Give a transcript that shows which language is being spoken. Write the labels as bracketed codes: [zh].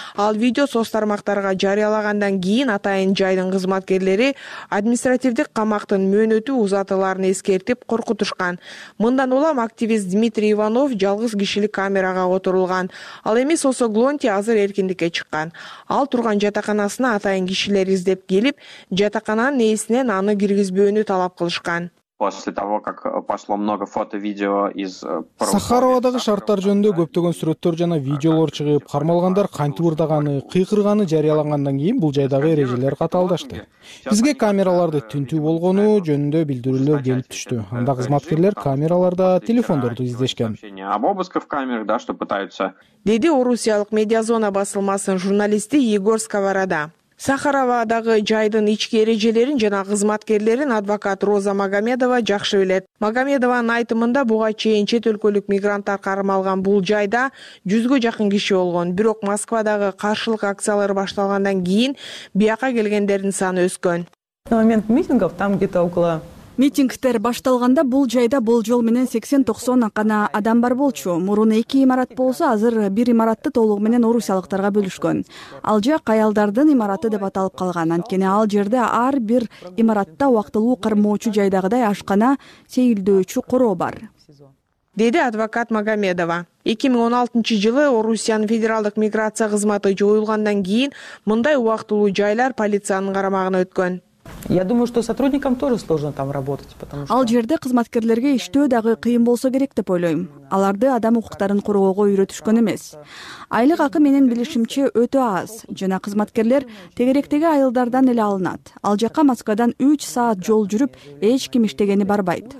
[ky] Ал видео соцтармактарга жарыялагандан кийин атайын жайдын кызматкерлери административдик камактын мөөнөтү узатыларын эскертип коркутушкан. Мындан улам активист Дмитрий Иванов жалгыз кишилик камерага отурулган. Ал эми Сосоглонти азыр эркиндикке чыккан. Ал турган жатаканасына атайын кишилер издеп келип, жатакананын ээсинен аны киргизбөөнү талап кылышкан. [ru] После того, как пошло много фото видео из [ky] Сахаровадагы шарттар жөнүндө көптөгөн сүрөттөр жана видеолор чыгып, кармалгандар кантип ырдаганы, кыйкырганы жарыялагандан кийин бул жайдагы эрежелер катаалдашты. Бизге камераларды тинтүү болгону жөнүндө билдирүүлөр келип түштү. Анда кызматкерлер камераларда телефондорду издешкен. Деди Орусиялык Медиазона басылмасынын журналисти Егорь Сковорода. Сахаровадагы жайдын ички эрежелерин жана кызматкерлерин адвокат Роза Магомедова жакшы билет. Магомедованын айтымында буга чейин чет өлкөлүк мигранттар кармалган бул жайда 100 жакын киши болгон. Бирок Москвадагы каршылык акциялары башталгандан кийин бияка келгендердин саны өскөн. [ru] На момент митингов там где-то около [ky] митингтер башталганда бул жайда болжол менен 80-90 гана адам бар болчу. Мурун 2 имарат болсо, азыр 1 имаратты толугу менен орусиялыктарга бөлүшкөн. Ал жак аялдардын имараты деп аталып калган. Анткени ал жерде ар бир имаратта убактылуу кармоочу жайдагыдай ашкана, сейилдөөчү короо бар. Деди адвокат Магомедова. 2016 жылы Орусиянын федералдык миграция кызматы жоюлгандан кийин мындай убактылуу жайлар полициянын карамагына өткөн. [ru] Я думаю, что сотрудникам тоже сложно там работать, потому что [ky] ал жерде кызматкерлерге иштөө дагы кыйын болсо керек деп ойлойм. Аларды адам укуктарын коргоого үйрөтүшкөн эмес. Айлык акы менен билишимче өтө аз жана кызматкерлер тегеректеги айылдардан эле алынат. Ал жакка Москвадан 3 саат жол жүрүп, эч ким иштегени барбайт.